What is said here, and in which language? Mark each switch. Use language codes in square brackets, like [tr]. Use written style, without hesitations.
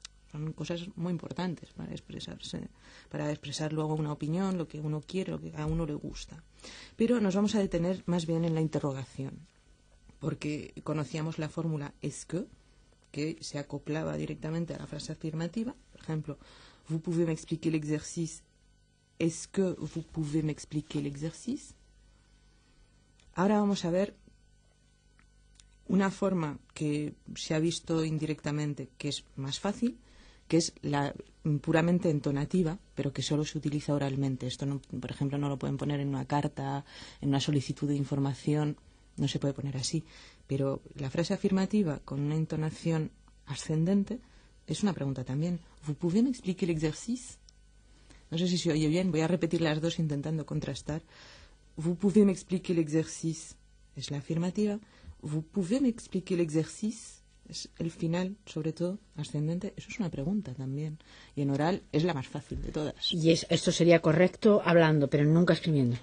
[es] Son cosas muy importantes para expresarse, para expresar luego una opinión, lo que uno quiere, lo que a uno le gusta. Pero nos vamos a detener más bien en la interrogación, porque conocíamos la fórmula est-ce que se acoplaba directamente a la frase afirmativa. Por ejemplo, [fr] vous pouvez m'expliquer l'exercice Est-ce que vous pouvez m'expliquer l'exercice? [es] Ahora vamos a ver una forma que se ha visto indirectamente que es más fácil, que es la puramente entonativa, pero que solo se utiliza oralmente. Esto, no, por ejemplo, no lo pueden poner en una carta, en una solicitud de información, no se puede poner así. Pero la frase afirmativa con una entonación ascendente es una pregunta también. [fr] ¿Vous pouvez m'expliquer l'exercice? [es] No sé si se oye bien, voy a repetir las dos intentando contrastar. [fr] ¿Vous pouvez m'expliquer l'exercice? [es] Es la afirmativa. [fr] ¿Vous pouvez m'expliquer l'exercice? [es] Es el final, sobre todo, ascendente. Eso es una pregunta también. Y en oral es la más fácil de todas. Y es, esto sería correcto hablando, pero nunca escribiendo.